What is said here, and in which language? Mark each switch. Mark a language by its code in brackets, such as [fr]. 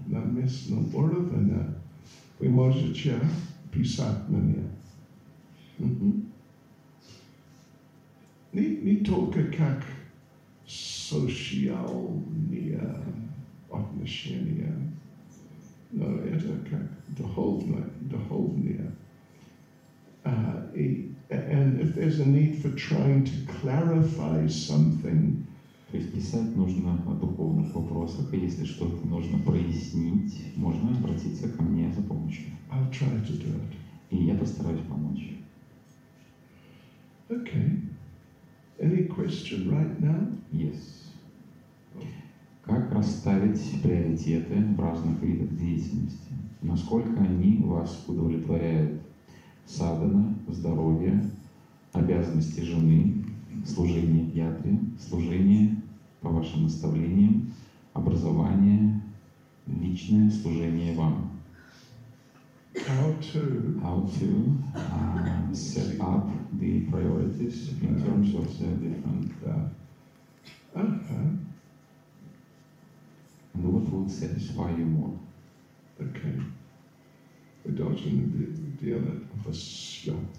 [ru] На местном уровне. Вы можете писать мне. Не только как социальные отношения, но это как духовные. [en] And if there's a need for trying to clarify something, [ru] то есть писать нужно о духовных вопросах, и если что-то нужно прояснить, можно обратиться ко мне за помощью. [en] I'll try to do it. [ru] И я постараюсь помочь. [en] Okay. Any question right now? Yes. [ru] Как расставить приоритеты в разных видах деятельности? Насколько они вас удовлетворяют? Садхана, здоровье, обязанности жены, служение ядре, служение по вашим наставлениям, образование, личное служение вам. [en] How to set up the priorities in terms of the different And what would satisfy you more? Okay. The doctrine of the deal of a show.